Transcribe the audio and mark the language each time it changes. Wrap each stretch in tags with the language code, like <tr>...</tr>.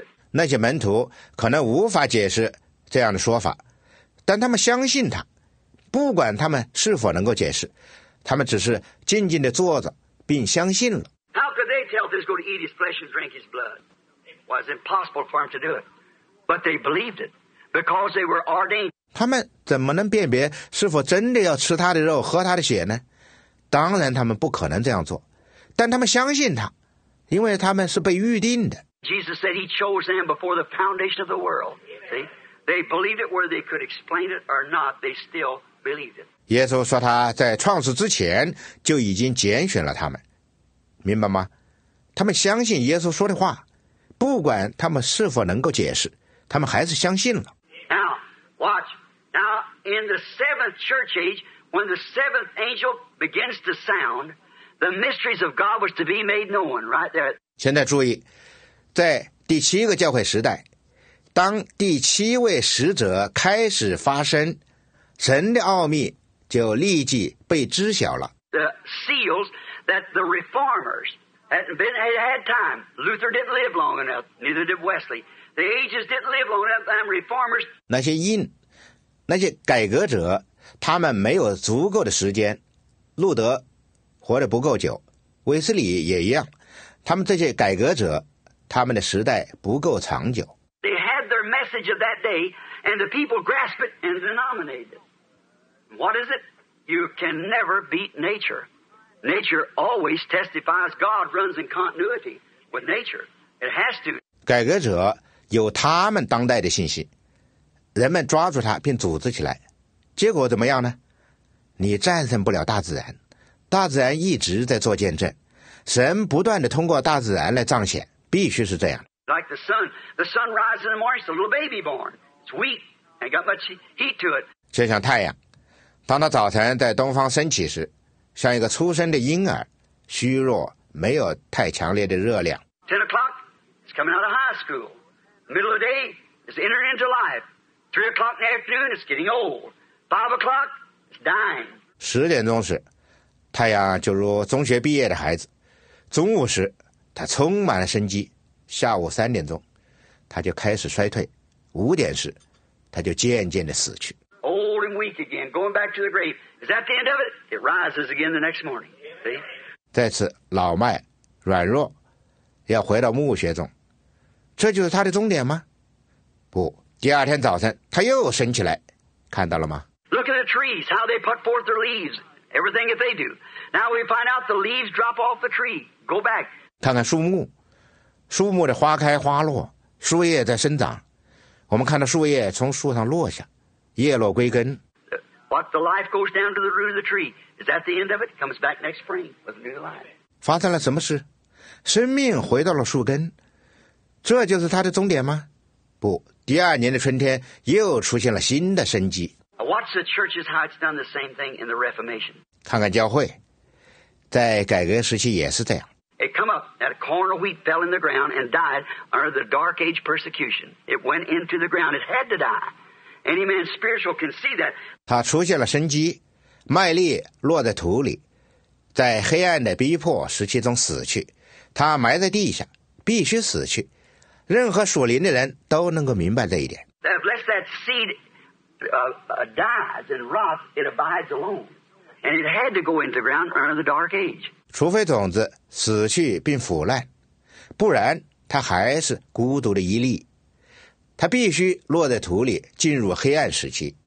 <zh>那些门徒可能无法解释这样的说法，但他们相信他，不管他们是否能够解释，他们只是静静地坐着并相信了。</zh> <en>How could they tell this go to eat his flesh and drink his blood? Well, it's impossible for him to do it. But they believed it because they were ordained.</en> <zh>他们怎么能辨别是否真的要吃他的肉喝他的血呢？当然他们不可能这样做，但他们相信他，因为他们是被预定的。</zh> <en>Jesus said he chose them before the foundation of the world. See? They believed it whether they could explain it or not, they still believed it.</en> <zh>耶稣说他在创世之前就已经拣选了他们，明白吗？他们相信耶稣说的话，不管他们是否能够解释，他们还是相信了。</zh> <en>Now, watch. Now, in the seventh church age,When the seventh angel begins to sound, the mysteries of God was to be made known right there.</en> <zh>现在注意，在第七个教会时代，当第七位使者开始发声，神的奥秘就立即被知晓了。</zh> <en>The seals that the reformers had time. Luther didn't live long enough. Neither did Wesley. The ages didn't live long enough. And reformers.</en> <zh>那些改革者。他们没有足够的时间，路德活得不够久，威斯里也一样，他们这些改革者，他们的时代不够长久。</zh> <en>They had their message of that day, and the people grasped it and denominated it. What is it? You can never beat nature. Nature always testifies God runs in continuity with nature. It has to.</en> <zh>改革者有他们当代的信息，人们抓住它并组织起来。结果怎么样呢？你战胜不了大自然，大自然一直在做见证，神不断地通过大自然来彰显，必须是这样。</zh> <en>Like the sun rises in the morning, it's a little baby born. It's weak, ain't got much heat to it.</en> <zh>就像太阳，当它早晨在东方升起时，像一个出生的婴儿，虚弱，没有太强烈的热量。</zh> <en>10 o'clock, it's coming out of high school. Middle of the day, it's entering into life. 3 o'clock in the afternoon, it's getting old. 5 o'clock, it's dying.</en> <zh>10点钟时，太阳就如中学毕业的孩子。中午时，他充满了生机。下午3点钟，他就开始衰退。 5点时，他就渐渐的死去。</zh> <en>Old and weak again, going back to the grave. Is that the end of it? It rises again the next morning. See?</en> <zh>再次老迈、软弱，要回到墓穴中。这就是他的终点吗？不，第二天早晨他又升起来。看到了吗？</zh> <en>Look at the trees, how they put forth their leaves, everything that they do. Now we find out the leaves drop off the tree. Go back.</en> <zh>看看树木，树木的花开花落，树叶在生长，我们看到树叶从树上落下，叶落归根。</zh> <en>What the life goes down to the root of the tree? Is that the end of it? Comes back next spring with new life.</en> <zh>发生了什么事？生命回到了树根，这就是它的终点吗？不，第二年的春天又出现了新的生机。</zh> <en>Watch the churches how it's done the same thing in the Reformation.</en> <zh>看看教会，在改革时期也是这样。</zh> <en>It come up that a corn of wheat fell in the ground and died under the Dark Age persecution. It went into the ground. It had to die. Any man spiritual can see that.</en> <zh>它出现了生机，麦粒落在土里，在黑暗的逼迫时期中死去。它埋在地下，必须死去。任何属灵的人都能够明白这一点。</zh> <en>Unless that seed dies and rots, it abides alone, and it had to go into the ground under the Dark Age.</en> <zh>除非种子死去并腐烂，不然它还是孤独的一粒，它必须落在土里进入黑暗时期。</zh>